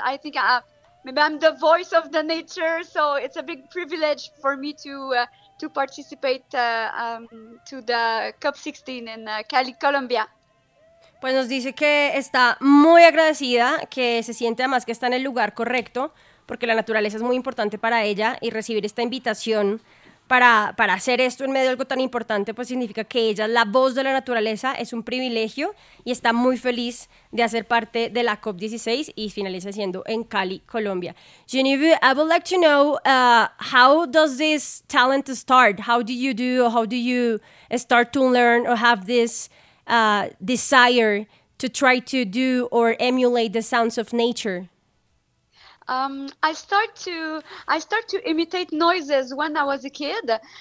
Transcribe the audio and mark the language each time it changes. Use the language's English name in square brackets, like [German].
[English] I think maybe I'm the voice of the nature, so it's a big privilege for me to participate to the COP16 in Cali, Colombia. [Spanish] Pues nos dice que está muy agradecida, que se siente además que está en el lugar correcto, porque la naturaleza es muy importante para ella, y recibir esta invitación para hacer esto en medio de algo tan importante, pues significa que ella es la voz de la naturaleza, es un privilegio y está muy feliz de hacer parte de la COP16 y finaliza siendo en Cali, Colombia. [English] Geneviève, I would like to know, how does this talent start? How do you start to learn or have this desire to try to do or emulate the sounds of nature? I start to imitate noises when I was a kid.